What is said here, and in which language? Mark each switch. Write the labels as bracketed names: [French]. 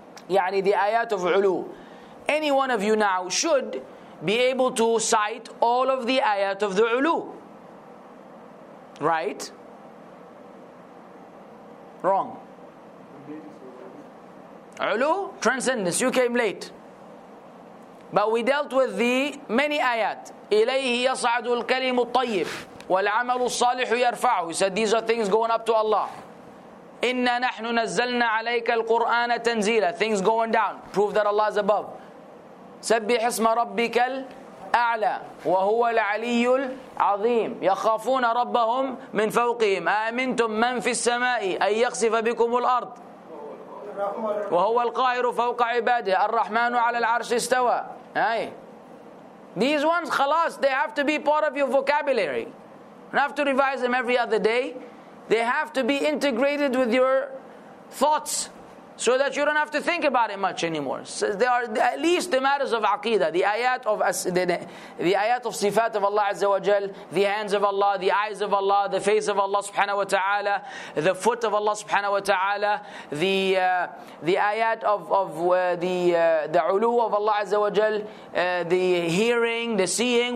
[English] يعني the ayat of ulu. Any one of you now should be able to cite all of the ayat of the ulu. Right? Wrong. Ulu, transcendence. You came late. But we dealt with the many ayat. [Arabic] إليه يصعد الكلم الطيب والعمل الصالح يرفعه. [English] He said these are things going up to Allah. [Arabic] إنا نحن نزلنا عليك القرآن تنزيلا. [English] Things going down. Prove that Allah is above. [Arabic] سبح اسم ربك الأعلى وهو العلي العظيم يخافون ربهم من فوقهم أأمنتم من في السماء أن يخسف بكم الأرض وهو القاهر فوق عباده الرحمن على العرش استوى. أي. [English] These ones, خلاص, they have to be part of your vocabulary. You have to revise them every other day. They have to be integrated with your thoughts, so that you don't have to think about it much anymore. So there are at least the matters of aqidah, the ayat of sifat of Allah Azza wa Jal, the hands of Allah, the eyes of Allah, the face of Allah Subhanahu wa Ta'ala, the foot of Allah Subhanahu wa Ta'ala, the ayat of the ulu of Allah Azza wa Jal, the hearing, the seeing.